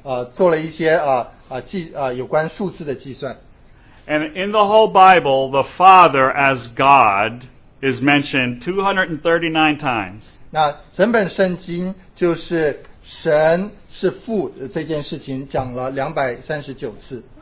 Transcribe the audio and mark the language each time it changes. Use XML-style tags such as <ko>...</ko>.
<zh>做了一些有关数字的计算。</zh> <en>And in the whole Bible, the Father as God is mentioned 239 times.</en> <zh>那整本圣经就是神是父这件事情讲了239次。</zh>